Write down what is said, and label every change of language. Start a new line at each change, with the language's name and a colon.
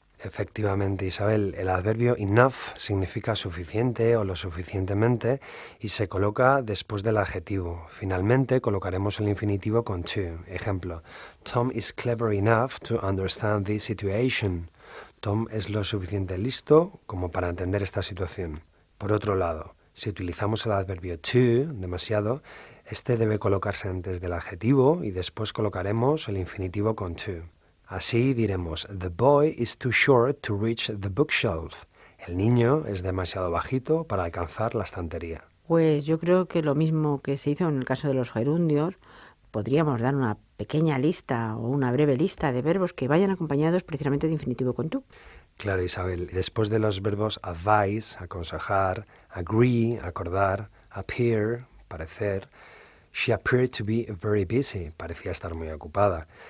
Spanish: Efectivamente, Isabel, el adverbio enough significa suficiente o lo suficientemente y se coloca después del adjetivo. Finalmente, colocaremos el infinitivo con to. Ejemplo,
English: Tom is clever enough to understand this situation.
Spanish: Tom es lo suficiente listo como para entender esta situación. Por otro lado, si utilizamos el adverbio to, demasiado, este debe colocarse antes del adjetivo y después colocaremos el infinitivo con to. Así diremos,
English: the boy is too short to reach the bookshelf.
Spanish: El niño es demasiado bajito para alcanzar la estantería. Pues yo creo que lo mismo que se hizo en el caso de los gerundios, podríamos dar una pequeña lista o una breve lista de verbos que vayan acompañados precisamente de infinitivo con tú. Claro, Isabel. Después de los verbos advise, aconsejar, agree, acordar, appear, parecer,
English: she appeared to be very busy,
Spanish: parecía estar muy ocupada.